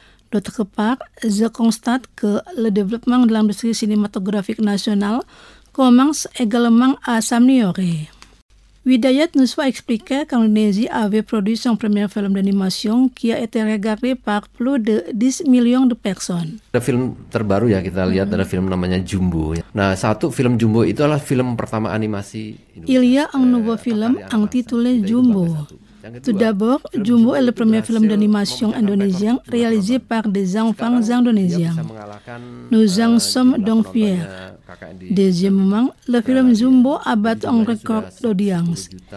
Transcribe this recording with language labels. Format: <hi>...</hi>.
<fr>D'autre part, je constate que le développement de l'industrie cinématographique nationale commence également à s'améliorer. Widayat Nuswa expliquait qu'Indonésie avait produit son premier film d'animation qui a été regardé par plus de 10 millions de personnes.</fr> <id>Ada film terbaru ya kita lihat, ada film namanya Jumbo. Nah, satu film Jumbo itu adalah film pertama animasi.</id> <fr>Il y a un nouveau film intitulé Jumbo. Tout d'abord, Jumbo est le premier film d'animation indonésien réalisé par des enfants indonésiens. Nous en sommes donc fiers. Deuxièmement, le film Jumbo a battu un record d'audience.</fr>